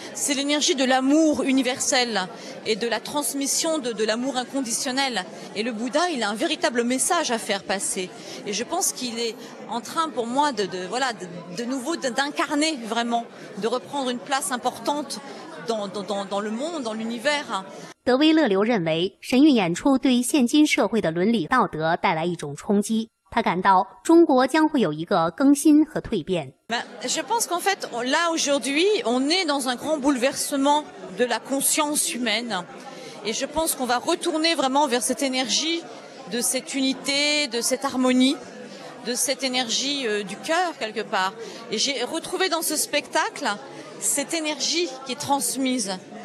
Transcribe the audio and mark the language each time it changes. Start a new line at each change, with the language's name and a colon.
French: C'est l'énergie de l'amour universel et de la transmission de l'amour inconditionnel. Et le Bouddha, il a un véritable message à faire passer. Et je pense qu'il est en train pour moi d'incarner vraiment, de reprendre une place importante dans le monde, dans l'univers.
Chinese: 德威勒流认为，神韵演出对于现今社会的伦理道德带来一种冲击。他感到中国将会有一个更新和蜕变。
French: Je pense qu'en fait, là aujourd'hui, on est dans un grand bouleversement de la conscience humaine. Et je pense qu'on va retourner vraiment vers cette énergie de cette unité, de cette harmonie, de cette énergie du cœur quelque part. Et j'ai retrouvé dans ce spectacle cette énergie qui est transmise.